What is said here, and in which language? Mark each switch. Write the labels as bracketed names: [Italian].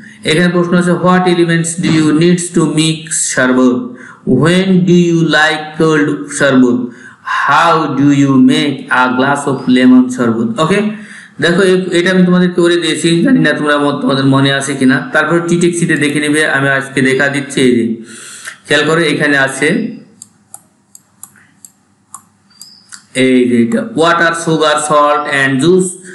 [Bangla] এখানে প্রশ্ন আছে, [English] what elements do you need to mix sharbat? When do you like cold sharbat? How do you make a glass of lemon sharbat? [Bangla] Okay, দেখো এটা আমি তোমাদেরকে বলে দিয়েছি, জানি না তোমরা তোমাদের মনে আছে কিনা, তারপর টিটেক সিটে দেখে নেবে, আমি আজকে দেখা দিচ্ছি। এই যে খেয়াল করো, এখানে আছে এই যে [English] Water, sugar, salt and juice.